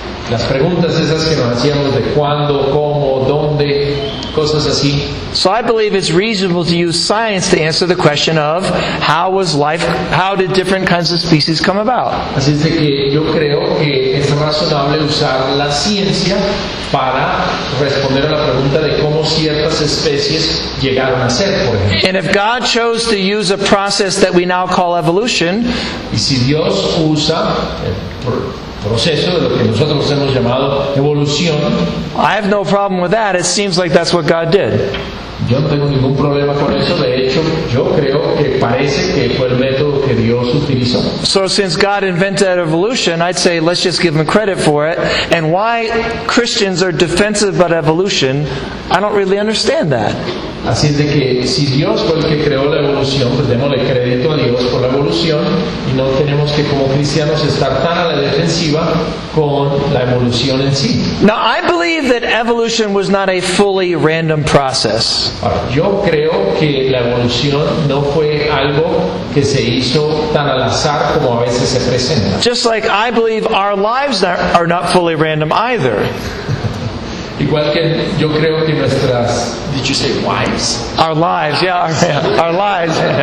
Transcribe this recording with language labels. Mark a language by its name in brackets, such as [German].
[Spanish] Las preguntas esas que nos hacíamos de cuándo, cómo, dónde, cosas así. [English] So I believe it's reasonable to use science to answer the question of how was life, how did different kinds of species come about? [Spanish] Así es de que yo creo que es razonable usar la ciencia para responder a la pregunta de cómo ciertas especies llegaron a ser, por ejemplo. [English] And if God chose to use a process that we now call evolution, [Spanish] y si Dios usa proceso de lo que nosotros hemos llamado evolución, [English] I have no problem with that. It seems like that's what God did. [Spanish] Yo no tengo ningún problema con eso. De hecho, yo creo que parece que fue el método que Dios utilizó. [English] So since God invented evolution, I'd say let's just give him credit for it. And why Christians are defensive about evolution, I don't really understand that. [Spanish] Así es de que si Dios fue el que creó la evolución, pues démosle crédito a Dios por la evolución y no tenemos que como cristianos estar tan a la defensiva con la evolución en sí. [English] Now, I believe that evolution was not a fully random process. [Spanish] Ahora, yo creo que la evolución no fue algo que se hizo tan al azar como a veces se presenta. [English] Just like I believe our lives are not fully random either. [Spanish] Igual que yo creo que nuestras, [English] did you say wives? Our lives, yeah, our lives.